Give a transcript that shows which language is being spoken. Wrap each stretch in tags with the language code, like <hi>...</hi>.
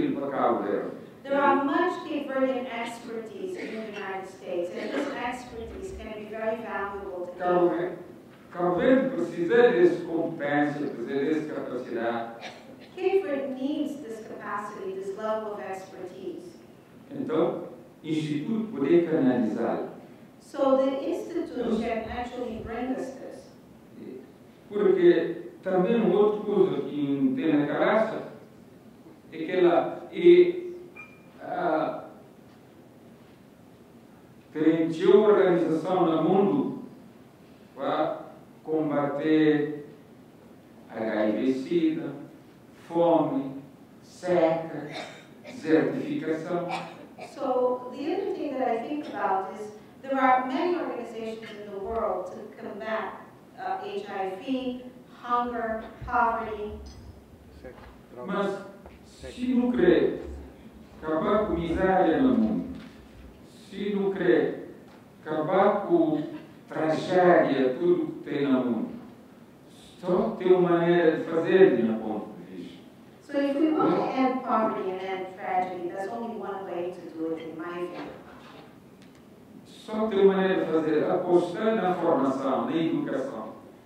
<en>There are much Cape Verdean expertise in the United States, and this expertise can be very valuable to Cabo Verde.</en> <pt>Cabo Verde precisa dessa competência, precisa dessa capacidade.</pt> <en>Cape Verde needs this capacity, this level of expertise.</en> <pt>Então, o Instituto pode canalizar.</pt> <en>So the Institute can actually bring us this.</en> <pt>Porque também uma outra coisa que tem na cabeça é que ela é tem de organização no mundo para combater HIV-Sida, fome, seca, desertificação.</pt> <en>So, the other thing that I think about is there are many organizations in the world to combat HIV, hunger, poverty.</en> <pt>Mas se não crê acabar com miséria no mundo, se não crê acabar com tragédia, tudo que tem no mundo, só tem uma maneira de fazer de um ponto de vista.</pt> <en>So if we want to end poverty and end tragedy, that's only one way to do it in my view.</en> <pt>Só tem uma maneira de fazer, apostar na formação, na educação.</pt>